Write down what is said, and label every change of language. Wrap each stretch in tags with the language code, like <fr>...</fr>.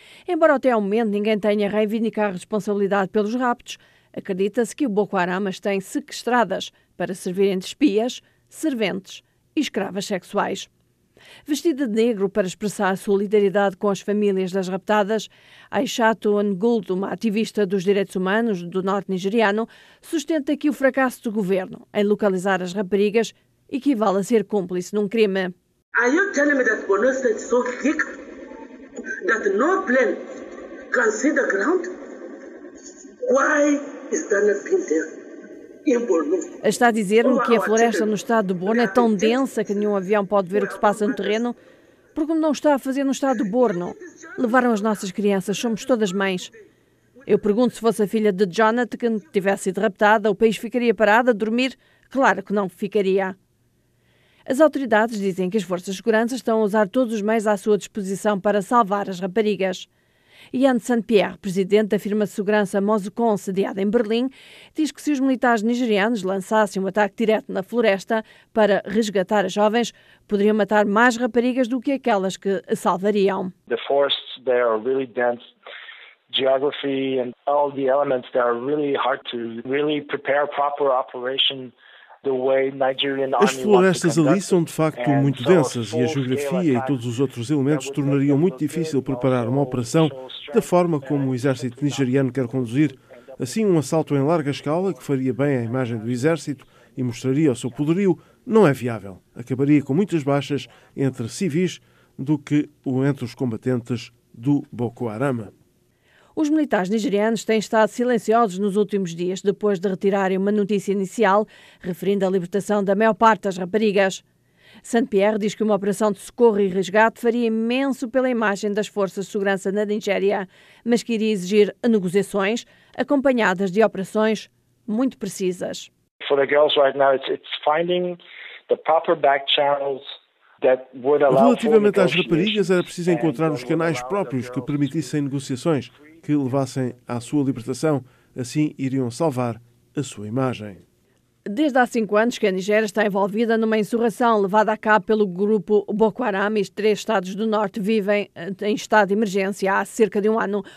<pt>Embora até ao momento ninguém tenha reivindicado a responsabilidade pelos raptos, acredita-se que o Boko Haram as tem sequestradas para servirem de espias, serventes e escravas sexuais. Vestida de negro para expressar a solidariedade com as famílias das raptadas, Aishatu Ngold, uma ativista dos direitos humanos do norte nigeriano, sustenta que o fracasso do governo em localizar as raparigas equivale a ser cúmplice num crime.</pt> <en>Are you telling me that Borno State is so thick that no plane can see the ground? Why is that not been there?</en> <pt>Está a dizer-me que a floresta no estado de Borno é tão densa que nenhum avião pode ver o que se passa no terreno? Porque não está a fazer no estado de Borno? Levaram as nossas crianças, somos todas mães. Eu pergunto, se fosse a filha de Jonathan que tivesse sido raptada, o país ficaria parado a dormir? Claro que não ficaria. As autoridades dizem que as forças de segurança estão a usar todos os meios à sua disposição para salvar as raparigas. Yann Saint-Pierre, presidente da firma de segurança Mosucon, sediada em Berlim, diz que se os militares nigerianos lançassem um ataque direto na floresta para resgatar as jovens, poderiam matar mais raparigas do que aquelas que a salvariam.</pt> <en>The forests there are really dense. Geography and all the elements there are really hard to really prepare proper operation.</en> <pt>As florestas ali são, de facto, muito densas e a geografia e todos os outros elementos tornariam muito difícil preparar uma operação da forma como o exército nigeriano quer conduzir. Assim, um assalto em larga escala, que faria bem à imagem do exército e mostraria o seu poderio, não é viável. Acabaria com muitas baixas entre civis do que entre os combatentes do Boko Haram. Os militares nigerianos têm estado silenciosos nos últimos dias, depois de retirarem uma notícia inicial referindo à libertação da maior parte das raparigas. Saint-Pierre diz que uma operação de socorro e resgate faria imenso pela imagem das forças de segurança na Nigéria, mas que iria exigir negociações acompanhadas de operações muito precisas.</pt> <en>For the girls right now, it's finding the proper back channels.</en> <pt>Relativamente às raparigas, era preciso encontrar os canais próprios que permitissem negociações que levassem à sua libertação. Assim, iriam salvar a sua imagem. Desde há 5 anos que a Nigéria está envolvida numa insurreição levada a cabo pelo grupo Boko Haram, e 3 estados do norte vivem em estado de emergência há cerca de 1 ano.</pt>